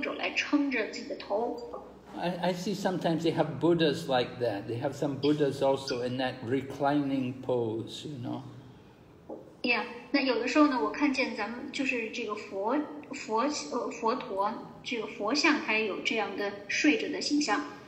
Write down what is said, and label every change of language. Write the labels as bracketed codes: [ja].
[zh] 那比如说当你在睡下的时候呢，是要把这个胳膊肘给支起来，然后用胳膊肘来撑着自己的头。I [en] see sometimes they have Buddhas like that. They have some Buddhas also in that reclining pose, you know. Yeah, [zh] 那有的时候呢，我看见咱们就是这个佛陀这个佛像，它也有这样的睡着的形象。